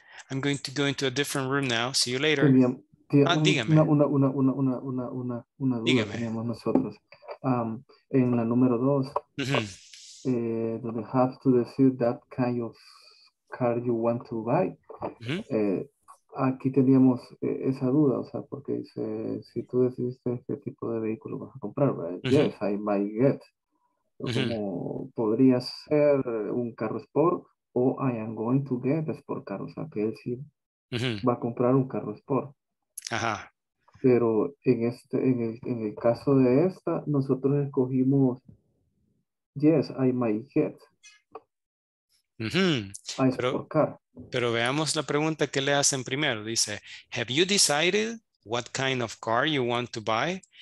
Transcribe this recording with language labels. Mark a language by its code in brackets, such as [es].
[en] I'm going to go into a different room now. See you later. [es] Dígame. Una duda dígame. Teníamos nosotros. En la número 2, [en] do you have to decide that kind of car you want to buy? [es] Aquí teníamos esa duda, o sea, porque dice, si tú decidiste qué tipo de vehículo vas a comprar, [en] yes, I might get. [es] Como podría ser un carro sport o [en] I am going to get a sport car, [es] o sea, que él sí va a comprar un carro sport. Ajá. Pero en este, en el caso de esta, nosotros escogimos [en] yes, I might get a sport car. [es] Pero veamos la pregunta que le hacen primero. Dice, [en] have you decided what kind of car you want to buy?